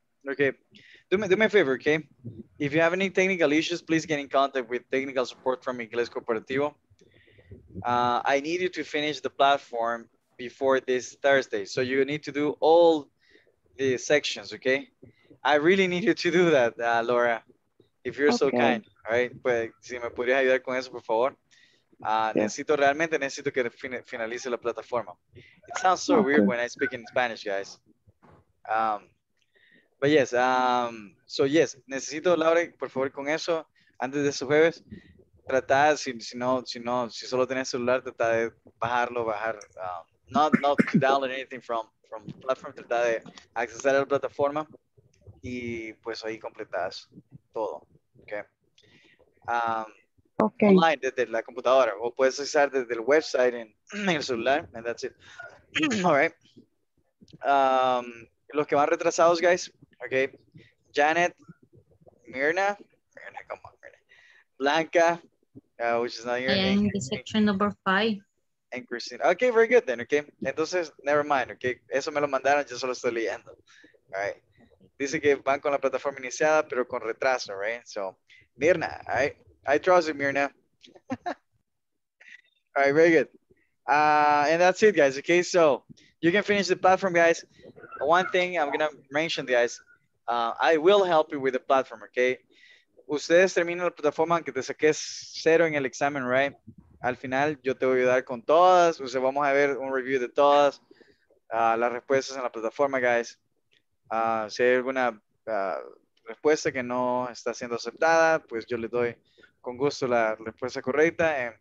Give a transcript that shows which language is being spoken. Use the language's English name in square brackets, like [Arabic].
[English] Okay. Do me a favor, okay? If you have any technical issues, please get in contact with technical support from Inglés Corporativo. I need you to finish the platform before this Thursday. So you need to do all the sections, okay? I really need you to do that, Laura, if you're okay. So kind, all right? [Spanish] Pues, si me podrías ayudar con eso, por favor. Necesito, realmente necesito que finalice la plataforma. [English] It sounds so okay. Weird when I speak in Spanish, guys. But yes, yes, [Spanish] necesito, Laura, por favor, con eso, antes de su jueves. Trata, si solo tienes celular, trata de bajar, [English] not to download anything from the platform, [Spanish] trata de accesar a la plataforma y pues ahí completas todo, okay? [English] Okay. [Spanish] Online, desde la computadora, o puedes accesar desde el website en el celular, [English] and that's it. All right. [Spanish] Los que van retrasados, guys, okay? Janet, Mirna, [English] come on, [Spanish] Mirna. [English] Blanca, which is not your name. And section number 5. And Christina. Okay, very good then, okay? Entonces, never mind, okay? [Spanish] Eso me lo mandaron, yo solo estoy leyendo. [English] All right. [Spanish] Dice que van con la plataforma iniciada, pero con retraso, right? [English] So, Mirna, all right? I trust you, Mirna. All right, very good. And that's it, guys, okay? So, you can finish the platform, guys. One thing I'm going to mention, guys. I will help you with the platform, okay? [Spanish] Ustedes terminan la plataforma aunque te saques cero en el examen, right? Al final, yo te voy a ayudar con todas. O sea, vamos a ver un review de todas las respuestas en la plataforma, guys. Si hay alguna respuesta que no está siendo aceptada, pues yo le doy con gusto la respuesta correcta.